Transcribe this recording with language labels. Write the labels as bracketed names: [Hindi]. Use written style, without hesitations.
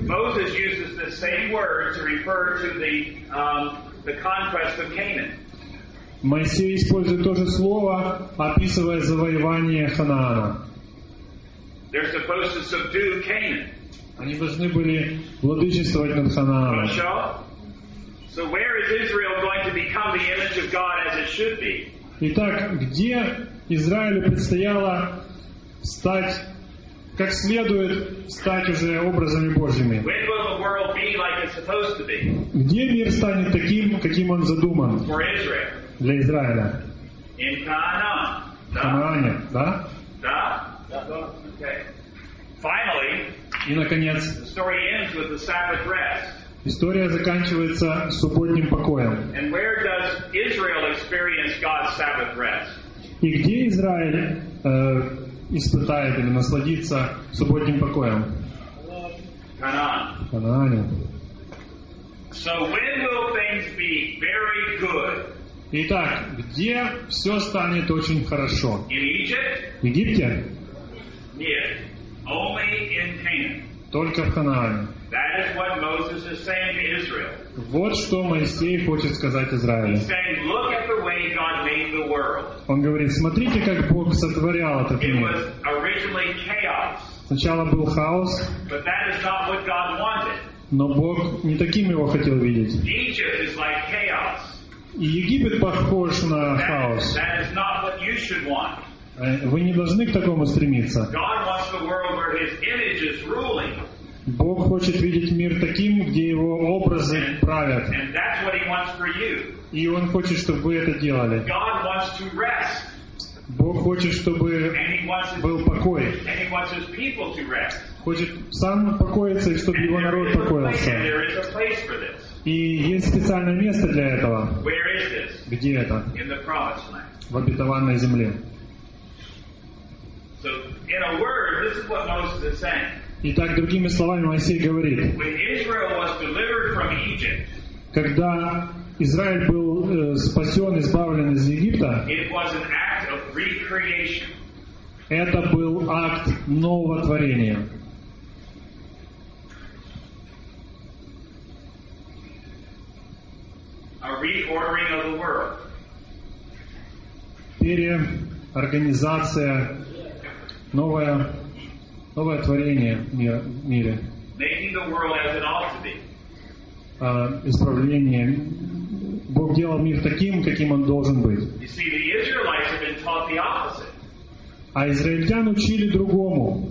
[English] Moses uses the same word to refer to the conquest of Canaan. [Russian] Моисей использует то же слово, описывая завоевание Ханаана. [English] They're supposed to subdue Canaan. [Russian] Они должны были владычествовать над Ханааном. [English] So where is Israel going to become the image of God as it should be? [Russian] Итак, где Израилю предстояло стать, как следует, стать уже образами Божьими? [English] When will the world be like it's supposed to be? [Russian] Где мир станет таким, каким он задуман? [English] For Israel. [Russian] Для Израиля. [English] In Canaan. [Russian] В Канаане, да? Да. Да. [English] Okay. Finally, [Russian] и наконец, [English] the story ends with the Sabbath rest. [Russian] История заканчивается субботним покоем. [English] And where does Israel experience God's Sabbath rest? [Russian] И где Израиль испытает или насладится субботним покоем? [English] Канаан. So when will things be very good? [Russian] Итак, где все станет очень хорошо? В Египте? Нет. [English] Only in Canaan. [Russian] Только в Ханаане. [English] That is what Moses is saying to Israel. [Russian] Вот что Моисей хочет сказать Израилю. [English] He's saying, look at the way God made the world. [Russian] Он говорит, смотрите, как Бог сотворял этот мир. [English] It was originally chaos. [Russian] Сначала был хаос. [English] But that is not what God wanted. [Russian] Но Бог не таким его хотел видеть. [English] Egypt is like chaos. [Russian] И Египет похож на хаос. [English] That is not what you should want. [Russian] Вы не должны к такому стремиться. [English] God wants the world where his image is ruling. [Russian] Бог хочет видеть мир таким, где его образы правят. [English] And that's what he wants for you. [Russian] И он хочет, чтобы вы это делали. [English] God wants to rest. [Russian] Бог хочет, чтобы был покой. [English] And he wants his people to rest. [Russian] Хочет сам покоиться, и чтобы его народ покоился. [English] There is a place for this. [Russian] И есть специальное место для этого. [English] Where is this? [Russian] Где это? [English] In the promised land. [Russian] В обетованной земле. [English] In a word, this is what Moses is saying. [Russian] Итак, другими словами, Моисей говорит. [English] When Israel was delivered from Egypt, [Russian] когда Израиль был спасен, избавлен из Египта, [English] it was an act of recreation. [Russian] Это был акт нового творения. [English] A reordering of the world. [Russian] Переорганизация, новое творение в мире. [English] Making the world as it ought to be. [Russian] Исправление. Бог делал мир таким, каким он должен быть. [English] You see, the Israelites have been taught the opposite. [Russian] А израильтян учили другому.